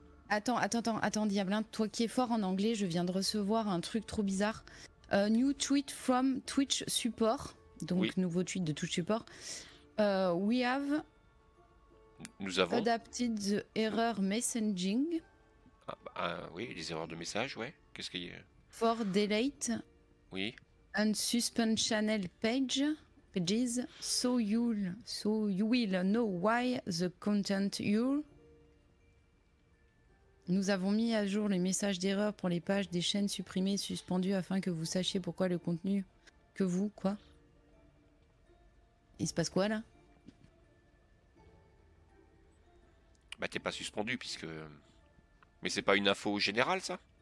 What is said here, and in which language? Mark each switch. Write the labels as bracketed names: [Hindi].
[French] Attends, Diablin, toi qui es fort en anglais, je viens de recevoir un truc trop bizarre. [English] New tweet from Twitch support. [French] Donc, oui. Nouveau tweet de Twitch support. [English] We have... [French] Nous avons... [English] Adapted the error messaging. [French] Ah, bah, oui, les erreurs de message, ouais. Qu'est-ce qu'il y a? [English] For delay, [French] oui. [English] Unsuspend channel pages, so you will know why the content you're. [French] Nous avons mis à jour les messages d'erreur pour les pages des chaînes supprimées et suspendues afin que vous sachiez pourquoi le contenu que vous, quoi. Il se passe quoi là? Bah t'es pas suspendu puisque... Mais c'est pas une info générale ça?